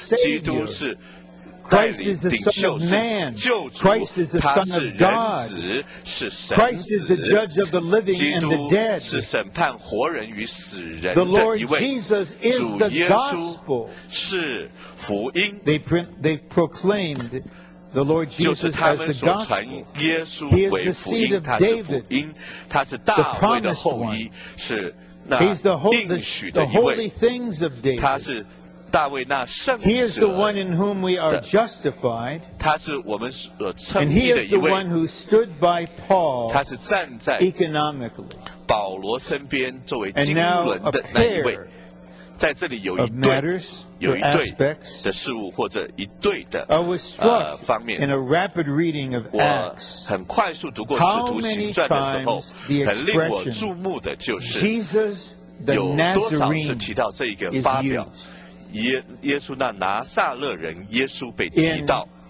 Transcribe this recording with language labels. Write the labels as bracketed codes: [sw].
[zh] 基督是带领领袖，是救主，他是人子，是神子。基督是审判活人与死人的一位。主耶稣是福音。 [en] They proclaimed the Lord Jesus as the gospel. He is the seed of David. [zh] 他是大卫的后裔，是那应许的一位。 [en] He's the holy things of David. [zh] 他是大卫那圣者。 [en] He is the one in whom we are justified. [zh] 他是我们所称义的一位。 [en] And he is the one who stood by Paul. [zh] 他是站在保罗身边作为经纶的那一位。在这里有一对，有一对的事物或者一对的方面，我很快速读过《使徒行传》的时候，很令我注目的就是有多少次提到这一个发表，耶稣那拿撒勒人耶稣被提到。